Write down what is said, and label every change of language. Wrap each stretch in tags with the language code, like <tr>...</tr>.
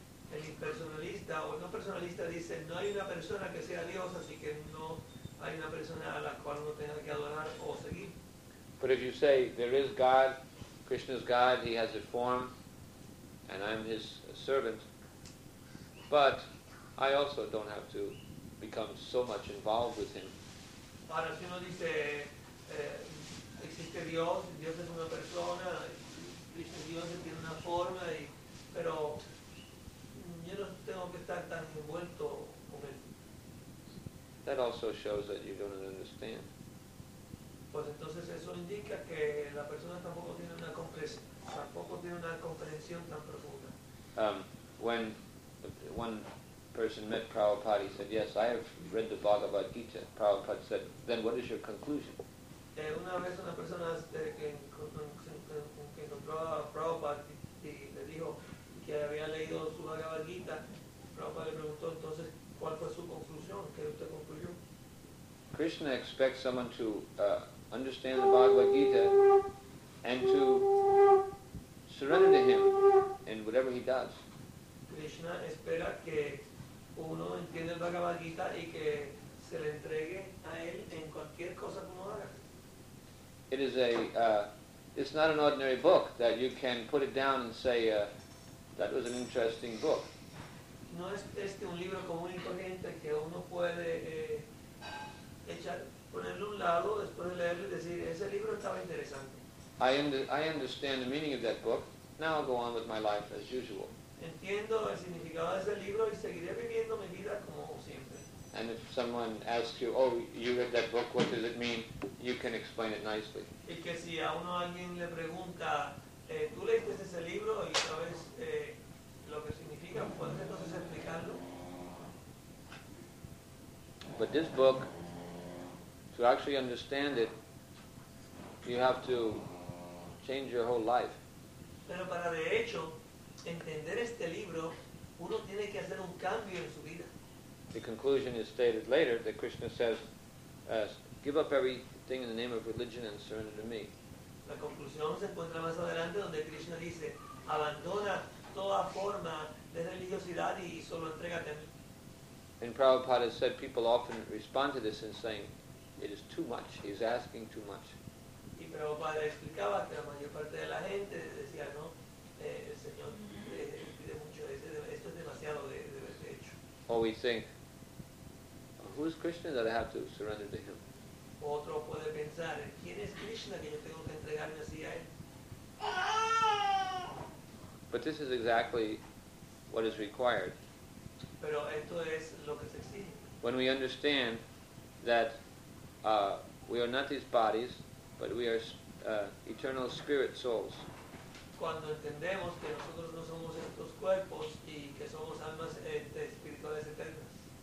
<es>El impersonalista o el no personalista dice, no hay una persona que sea Dios, así que no hay una persona a la cual uno tenga que adorar o seguir.</es> <en>But if you say, there is God, Krishna is God, he has a form, and I'm his servant, but I also don't have to become so much involved with him.</en> <es>Ahora, si uno dice, existe Dios, Dios es una persona, Cristo Dios tiene una forma, y, pero yo no tengo que estar tan envuelto con él.</es> <en>That also shows that you don't understand.</en> <es>Pues entonces eso indica que la persona tampoco tiene una comprensión tan profunda.</es> <en>When one person met Prabhupada, he said, yes, I have read the Bhagavad Gita. Prabhupada said, then what is your conclusion?</en> <es>Una vez una persona que encontró a Prabhupada y le dijo que había leído su Bhagavad Gita, Prabhupada le preguntó entonces, ¿cuál fue su conclusión? ¿Qué usted concluyó?</es> <en>Krishna expects someone to understand the Bhagavad Gita and to surrender to him in whatever he does.</en> <es>Krishna espera que uno entiende el Bhagavad Gita y que se le entregue a él en cualquier cosa como haga.</es> <en>It is a, it's not an ordinary book that you can put it down and say, that was an interesting book.</en> <es>No es este un libro común y corriente que uno puede ponerlo a un lado después de leerlo y decir, ese libro estaba interesante.</es> <en>I understand the meaning of that book. Now I'll go on with my life as usual.</en> <es>Entiendo el significado de ese libro y seguiré viviendo mi vida como siempre.</es> <en>And if someone asks you, oh, you read that book, what does it mean? You can explain it nicely.</en> <es>Y que si a uno alguien le pregunta, ¿tú leíste ese libro y sabes lo que significa? ¿Puedes entonces explicarlo?</es> <en>But this book, to actually understand it, you have to change your whole life.</en> <es>Pero para de hecho entender este libro, uno tiene que hacer un cambio en su vida.</es> <en>The conclusion is stated later that Krishna says, give up everything in the name of religion and surrender to me.</en> <es>La conclusión se encuentra más adelante donde Krishna dice, abandona toda forma de religiosidad y solo entrégate a mí.</es> <en>And Prabhupada said people often respond to this in saying, it is too much, he's asking too much.</en> <es>Y Prabhupada explicaba que la mayor parte de la gente decía, no, el Señor pide mucho, esto es demasiado de hecho.</es> <en>Or we think, who is Krishna that I have to surrender to him?</en> <es>Otro puede pensar, ¿quién es Krishna que yo tengo que entregarme así a él?</es> <en>But this is exactly what is required.</en> <es>Pero esto es lo que se exige.</es> <en>When we understand that we are not these bodies, but we are eternal spirit souls.</en> <es>Cuando entendemos que nosotros no somos estos cuerpos y que somos almas espirituales eternas.</es>